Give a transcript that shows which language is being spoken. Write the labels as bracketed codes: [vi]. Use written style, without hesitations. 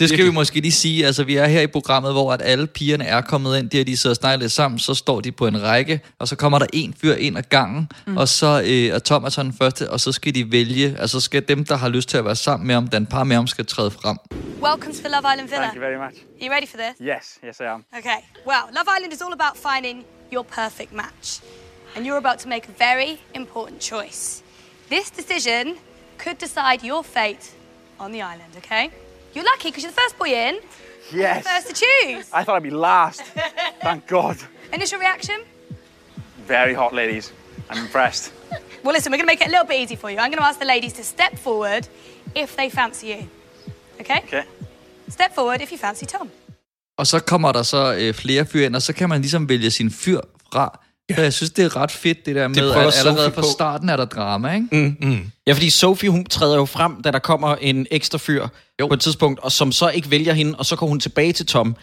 [da] Det skal vi måske lige sige. Altså, vi er her i programmet, hvor at alle pigerne er kommet ind. Det er, de sidder og snakker lidt sammen. Så står de på en række, og så kommer der en fyr ind ad gangen. Mm. Og så er Thomas den første, og så skal de vælge. Altså, skal dem, der har lyst til at være sammen med ham, den par med ham, skal træde frem. [en] Welcome to the Love Island Villa. Thank you very much. Are you ready for this? Yes, I am. Okay. Well, Love Island is all about finding your perfect match. And you're about to make a very important choice. This decision could decide your fate on the island, okay? You're lucky because you're the first boy in. Yes. First to choose. I thought I'd be last. Thank God. Initial reaction? Very hot, ladies. I'm impressed. Well, listen, we're going to make it a little bit easy for you. I'm going to ask the ladies to step forward if they fancy you. Okay? Okay. Step forward if you fancy Tom. [da] Og så kommer der så flere fyr ind, og så kan man ligesom vælge sin fyr fra. Ja. Jeg synes, det er ret fedt, det der med, det at allerede fra starten er der drama, ikke? Mm. Mm. Ja, fordi Sophie, hun træder jo frem, da der kommer en ekstra fyr på et tidspunkt, og som så ikke vælger hende, og så går hun tilbage til Tom.